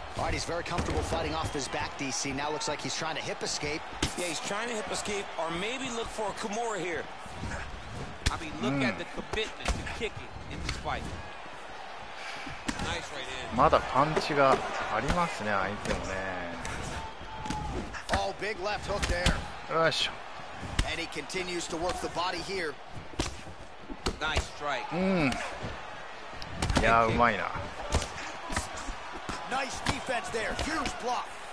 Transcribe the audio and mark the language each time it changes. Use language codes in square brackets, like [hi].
[en] He's very comfortable fighting off his back, DC. Now looks like he's trying to hip escape. Yeah, he's trying to hip escape or maybe look for a Kimura here. I mean, look at the commitment to kicking in this fight. Nice right hand. [ja] まだパンチがありますね、相手もね。 [en] Oh, big left hook there. [ja] よいしょ。 [en] And he continues to work the body here. Nice strike. [ja] いや、うまいな。 [en] Nice defense there. Huge block.